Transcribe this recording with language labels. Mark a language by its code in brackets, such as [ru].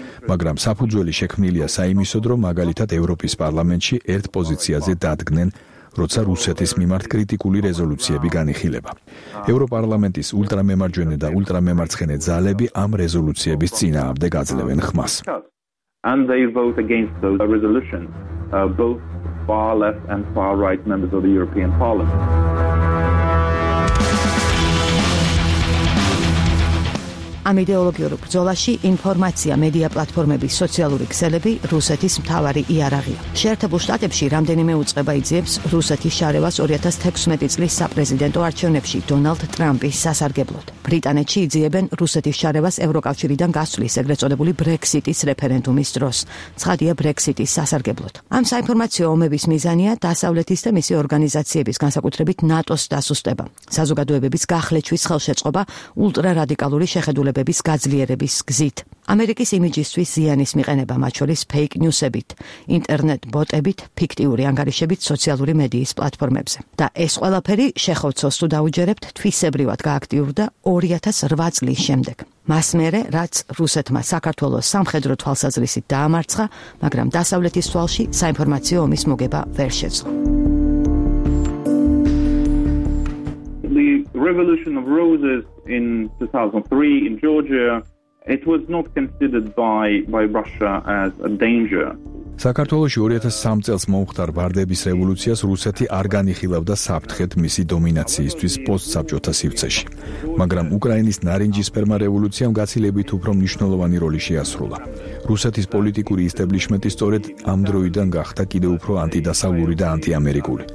[ka] მაგრამ საფუძველი შექმნილია საიმისოდ, რომ მაგალითად ევროპის პარლამენტში ერთ პოზიციაზე დადგნენ, როცა რუსეთის მიმართ კრიტიკული რეზოლუციები განიხილება. ევროპარლამენტის ультрамემარჯვენე და ультрамემარცხენე ძალები ამ რეზოლუციების წინააღმდეგ აძლევენ ხმას. [en] And they vote against those resolutions, both far left and far right members of the European Parliament. [ka] ამ იდეოლოგიურ ბრძოლაში ინფორმაცია, მედია პლატფორმები, სოციალური ქსელები რუსეთის მთავარი იარაღია. შეერთებულ შტატებში რამდენიმე უწყება იძიებს რუსეთის შარევას 2016 წლის საპრეზიდენტო არჩევნებში დონალდ ტრამპის სასარგებლოდ. ბრიტანეთში იძიებენ რუსეთის შარევას ევროკავშირიდან გასვლის, ეგრეთ წოდებული ბრექსიტის რეფერენდუმის დროს. ცხადია ბრექსიტის სასარგებლოდ. ამ საინფორმაციო ომების მიზანია დასავლეთის და მისი ორგანიზაციების, განსაკუთრებით ნატოს დასუსტება, საზოგადოებების გახლეჩვის ხელშეწყობა ультрараდიკალური შეხედულებებით, დულებების გაძლიერების გზით. ამერიკის იმიჯისთვის ზიანის მიყენება, მათ შორის ფეიკ ნიუსებით, ინტერნეტ ბოტებით, ფიქტიური ანგარიშებით სოციალური მედიის პლატფორმებზე. და ეს ყველაფერი შეხოცოს თუ დაუჯერებთ თვისებრივად გააქტიურდა 2008 წლის შემდეგ. მას მერე, რაც რუსეთმა საქართველოს სამხედრო თვალსაზრისით დაამარცხა, მაგრამ დასავლეთის თვალში საინფორმაციო ომის მოგება ვერ შეძლო. [en] Revolution of Roses in 2003 in Georgia, it was not considered by Russia as a danger. [ka] საქართველოში 2003 წელს მომხდარ ბარდების რევოლუციას რუსეთი არ განიხილავდა საფრთხედ მისი დომინაციისთვის პოსტსაბჭოთა სივრცეში. მაგრამ უკრაინის ნარინჯისფერმა რევოლუციამ გაცილებით უფრო მნიშვნელოვანი როლი შეასრულა. რუსეთის პოლიტიკური ისტებლიშმენტი სწორედ ამ დროიდან გახდა კიდევ უფრო ანტიდასავლური და ანტიამერიკული.